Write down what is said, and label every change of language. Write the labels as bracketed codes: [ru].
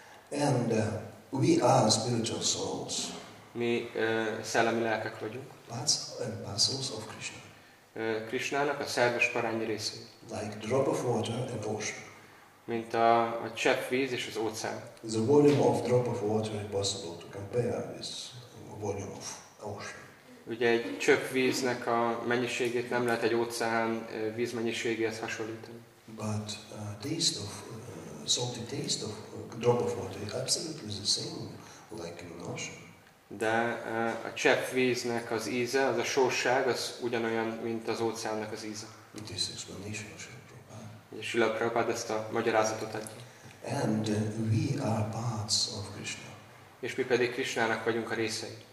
[en] And we are spiritual souls. [hu] Mi szellemi lelkek vagyunk. [en] Parts and parcels of Krishna. [hu] Krishnának a szerves parányi része. [en] Like drop of water and ocean. [hu] Mint a csepp víz és az óceán. [en] The volume of drop of water is possible to compare with volume of ocean. [hu] Ugye egy csepp víznek a mennyiségét nem lehet egy óceán vízmennyiségéhez hasonlítani. [en] But taste of salty taste of drop of water is absolutely the same like in an ocean. [hu] De a csepp víznek az íze, az a sósság, az ugyanolyan, mint az óceánnak az íze. [en] This explanation of Srila Prabhupada. [hu] És Srila Prabhupada ezt a magyarázatot adja. [en] And we are parts of Krishna. [hu] És mi pedig Krishnának vagyunk a részei.